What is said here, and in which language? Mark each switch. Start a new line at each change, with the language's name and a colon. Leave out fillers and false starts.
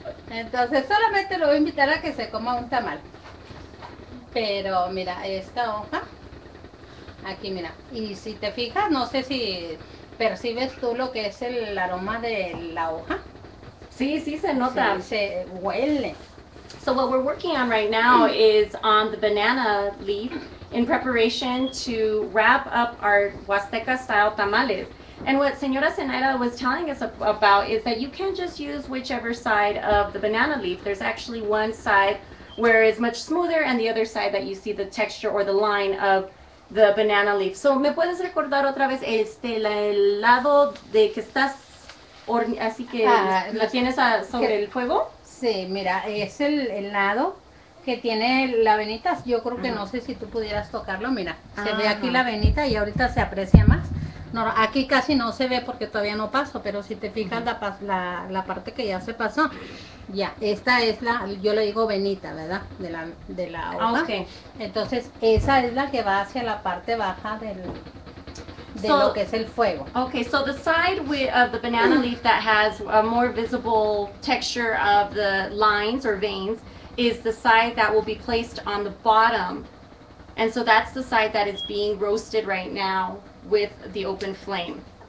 Spanish: Entonces, solamente lo voy a invitar a que se coma un tamal. Pero mira, esta hoja, aquí mira, y si te fijas, no sé si percibes tú lo que es el aroma de la hoja. Sí, sí se nota. Sí, se huele.
English: So what we're working on right now is on the banana leaf in preparation to wrap up our Huasteca style tamales. And what Señora Zenaida was telling us about is that you can't just use whichever side of the banana leaf. There's actually one side where it's much smoother and the other side that you see the texture or the line of the banana leaf.
Spanish: So me puedes recordar otra vez el lado de que estás, así que la tienes sobre el fuego? Sí, mira, es el lado que tiene la venita. Yo creo que no sé si tú pudieras tocarlo. Mira, se ve aquí la venita y ahorita se aprecia más. No, aquí casi no se ve porque todavía no paso, pero si te fijas la parte que ya se pasó, ya, esta es la, yo le digo venita, ¿verdad? De la hoja. Okay. Entonces, esa es la que va hacia la parte baja de lo que es el fuego.
English: Okay, so the side of the banana leaf that has a more visible texture of the lines or veins is the side that will be placed on the bottom. And so that's the side that is being roasted right now with the open flame.